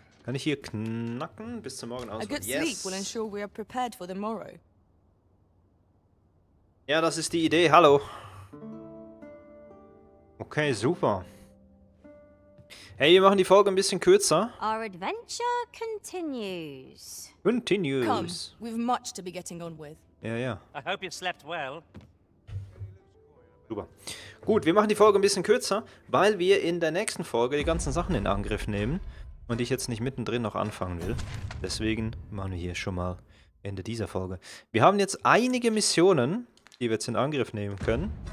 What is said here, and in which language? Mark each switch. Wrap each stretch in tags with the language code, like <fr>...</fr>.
<de>Kann ich hier knacken bis zum Morgen aus?</de> <en>A good sleep will ensure we are prepared for the morrow.</en> <de>Ja, das ist die Idee. Hallo. Okay, super. Hey, wir machen die Folge ein bisschen kürzer.</de> <en>Our adventure continues. Continues. Come, we've much to be getting on with.</en> <de>Ja, ja.</de> <en>I hope you slept well.</en> <de>Super. Gut, wir machen die Folge ein bisschen kürzer, weil wir in der nächsten Folge die ganzen Sachen in Angriff nehmen und ich jetzt nicht mittendrin noch anfangen will. Deswegen machen wir hier schon mal Ende dieser Folge. Wir haben jetzt einige Missionen, die wir jetzt in Angriff nehmen können.</de>